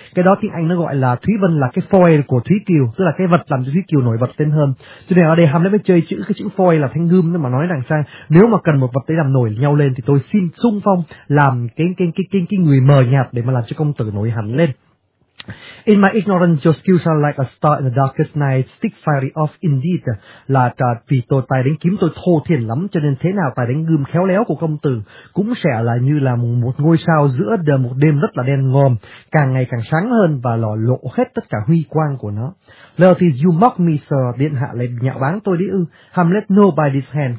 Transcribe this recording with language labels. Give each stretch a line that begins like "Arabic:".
Vietnamese: Cái đó tiếng Anh nó gọi là Thúy Vân là cái foil của Thúy Kiều, tức là cái vật làm cho Thúy Kiều nổi bật lên hơn. Cho nên ở đây Hamlet mới chơi cái chữ foil là thanh gươm, nhưng mà nói rằng sang nếu mà cần một vật để làm nổi nhau lên thì tôi xin xung phong làm cái người mờ nhạt để mà làm cho công tử nổi hẳn lên.
English: In my ignorance, your skills are like a star in the darkest night, stick fiery off indeed.
Vietnamese: Là vì tôi tài đánh kiếm tôi thô thiển lắm, cho nên thế nào tài đánh gươm khéo léo của công tử cũng sẽ là như là một ngôi sao giữa một đêm rất là đen ngòm, càng ngày càng sáng hơn và lò lộ hết tất cả huy quang của nó.
English: Laertes, you mock me, sir.
Vietnamese: Điện hạ lại nhạo báng tôi đi ư?
English: Hamlet, no, by this hand.